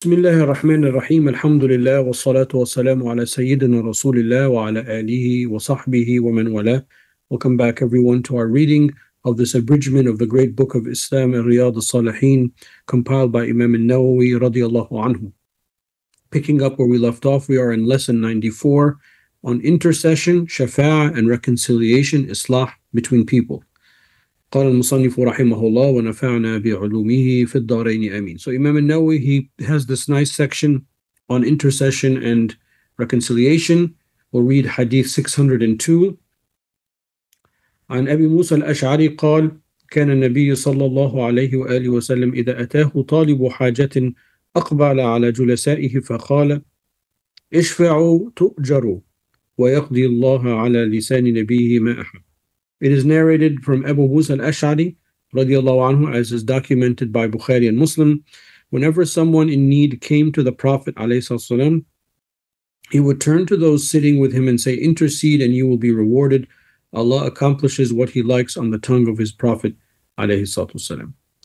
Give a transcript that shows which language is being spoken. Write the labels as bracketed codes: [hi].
[ar] بسم الله الرحمن الرحيم، الحمد لله والصلاة والسلام على سيدنا رسول الله وعلى آله وصحبه ومن والاه. [en] Welcome back everyone to our reading of this abridgment of the great book of Islam, Riyad al-Salihin, compiled by Imam al-Nawawi رضي الله عنه. Picking up where we left off, we are in lesson 94 on intercession, shafa'a and reconciliation, islah between people. [ar] قال المصنف رحمه الله ونفعنا بعلومه في الدارين آمين. [en] So Imam al-Nawawi, he has this nice section on intercession and reconciliation. We'll read Hadith 602. [ar] عن أبي موسى الأشعري قال كان النبي صلى الله عليه وآله وسلم إذا أتاه طالب حاجة أقبل على جلسائه فقال اشفعوا تؤجروا ويقضي الله على لسان نبيه ما أحب. [en] It is narrated from Abu Musa al-Ash'ari, radiallahu anhu, as is documented by Bukhari and Muslim. Whenever someone in need came to the Prophet, alayhi salam, he would turn to those sitting with him and say, intercede and you will be rewarded. Allah accomplishes what he likes on the tongue of his Prophet, alayhi salam.